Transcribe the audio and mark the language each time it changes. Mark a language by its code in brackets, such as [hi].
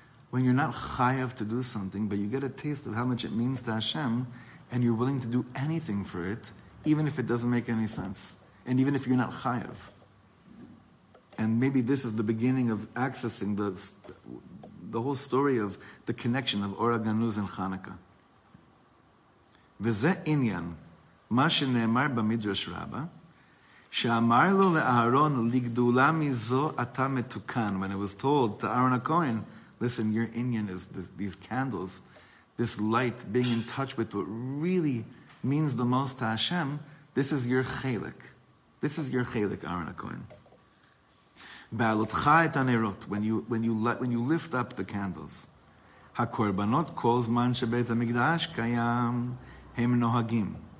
[en] When you're not chayav to do something, but you get a taste of how much it means to Hashem, and you're willing to do anything for it, even if it doesn't make any sense, and even if you're not chayav. And maybe this is the beginning of accessing the whole story of the connection of Ohr Haganuz and Chanukah. [he] V'zeh inyan. מה שנאמר במדרש רבה, שאמר לו לאהרון, לגדולה מזו אתה מתוקן. [en] When it was told to Aaron HaKohen, listen, your inyan is this, these candles, this light, being in touch with what really means the most to Hashem, this is your chelek. This is your chelek, Aaron HaKohen. [he] בעלותך את הנרות, [en] when you lift up the candles, [he] הקורבנות כל זמן שבית המקדש קיים, הם נוהגים.